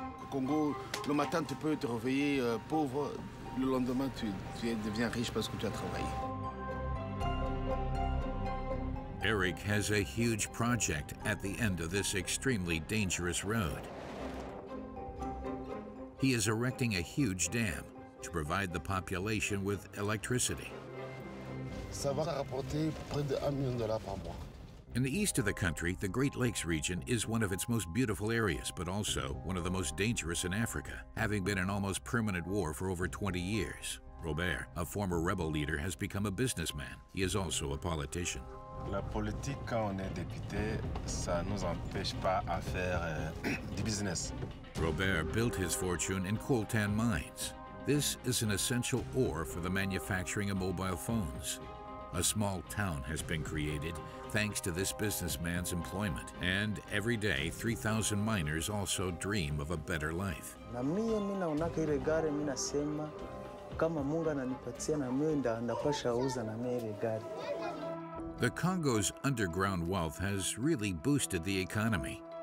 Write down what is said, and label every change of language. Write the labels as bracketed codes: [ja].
[fr] Congo, le matin tu peux te réveiller pauvre, le lendemain tu deviens riche parce que tu as travaillé. [en] Eric has a huge project at the end of this extremely dangerous road. He is erecting a huge dam to provide the population with electricity. [fr] Ça va rapporter près de 1 million de dollars par mois. [en] In the east of the country, the Great Lakes region is one of its most beautiful areas, but also one of the most dangerous in Africa, having been in almost permanent war for over 20 years. Robert, a former rebel leader, has become a businessman. He is also a politician. [fr] La politique, quand on est député, ça nous empêche pas à faire du business. [en] Robert built his fortune in coltan mines. This is an essential ore for the manufacturing of mobile phones. A small town has been created thanks to this businessman's employment. And every day, 3,000 miners also dream of a better life. The Congo's underground wealth has really boosted the economy.